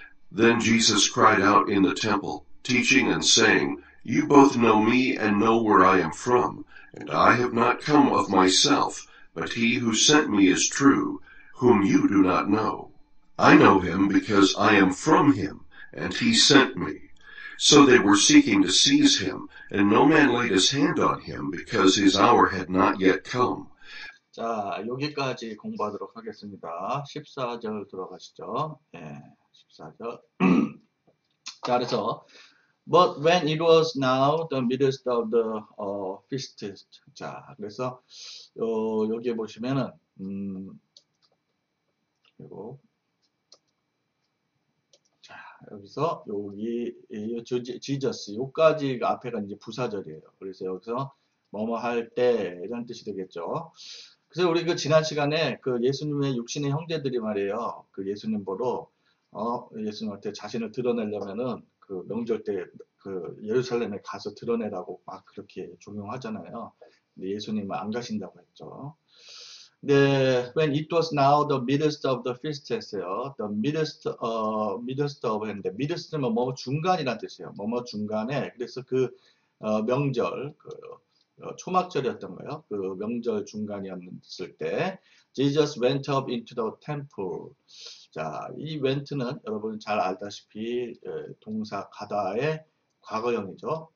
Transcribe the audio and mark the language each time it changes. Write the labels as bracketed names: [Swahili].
[English] Then Jesus cried out in the temple, teaching and saying, "You both know me and know where I am from, and I have not come of myself, but he who sent me is true, whom you do not know. I know him because I am from him, and he sent me." So they were seeking to seize him, and no man laid his hand on him because his hour had not yet come. [Korean] 자, 여기까지 공부하도록 하겠습니다. 14절 들어가시죠. 예, 14절. 자, 그래서, [English] But when it was now the midst of the feast. [Korean] 자, 그래서, 여기에 보시면은, 그리고, 여기서, 여기, 이 Jesus, 여기까지 앞에가 이제 부사절이에요. 그래서 여기서, 뭐뭐 할 때, 이런 뜻이 되겠죠. 그래서 우리 그 지난 시간에 그 예수님의 육신의 형제들이 말이에요. 그 예수님 보러 예수님한테 자신을 드러내려면은 그 명절 때그 예루살렘에 가서 드러내라고 막 그렇게 종용하잖아요. 근데 예수님은 안 가신다고 했죠. 근데 [English] when it was now the midst of the feast [Korean] 했어요. [English] The midst of [Korean] 했는데 midst는 뭐뭐 중간이라는 뜻이에요. 뭐뭐 중간에 그래서 그 명절 그 초막절이었던 거예요. 그 명절 중간이었을 때, [English] Jesus went up into the temple. [Korean] 자, 이 went는 여러분 잘 알다시피 동사 가다의 과거형이죠.